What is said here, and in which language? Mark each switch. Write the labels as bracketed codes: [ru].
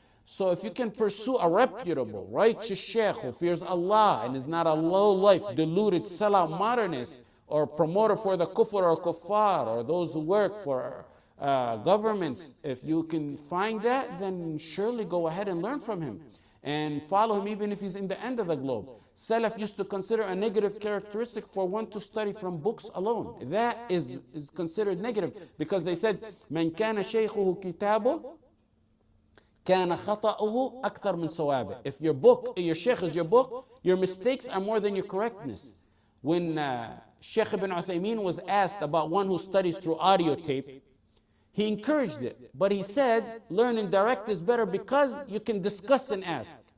[en] So if you can pursue a reputable, righteous sheikh who fears Allah and is not a low-life, deluded, sellout modernist, or promoter for the kufr or kuffar, or those who work for governments, if you can find that, then surely go ahead and learn from him and follow him, even if he's in the end of the globe. Salaf used to consider a negative characteristic for one to study from books alone. That is considered negative, because they said, [ar] من كان شيخه كتابه كان خطأه أكثر من صوابه. [en] If your book, your sheikh is your book, your mistakes are more than your correctness. When Sheikh Ibn Uthaymeen was asked about one who studies through audio tape, he encouraged it, but he said learning direct is better because you can discuss and ask.